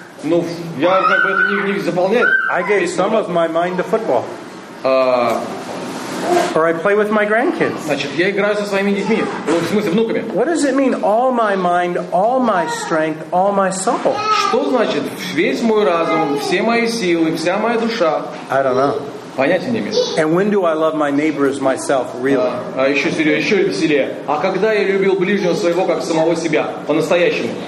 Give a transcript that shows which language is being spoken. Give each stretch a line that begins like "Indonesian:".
Russian: Ну, я как бы это не заполняет.
English: I gave some of my mind to football. Or I play with my grandkids.
Russian: Значит, я играю со своими детьми, в смысле внуками.
English: What does it mean? All my mind, all my strength, all my soul.
Russian: Что значит весь мой разум, все мои силы, вся моя душа?
English: I don't know.
Russian: Понятия не имею.
English: And when do I love my neighbor as myself, really?
Russian: Еще веселее. А когда я любил ближнего своего как самого себя по-настоящему?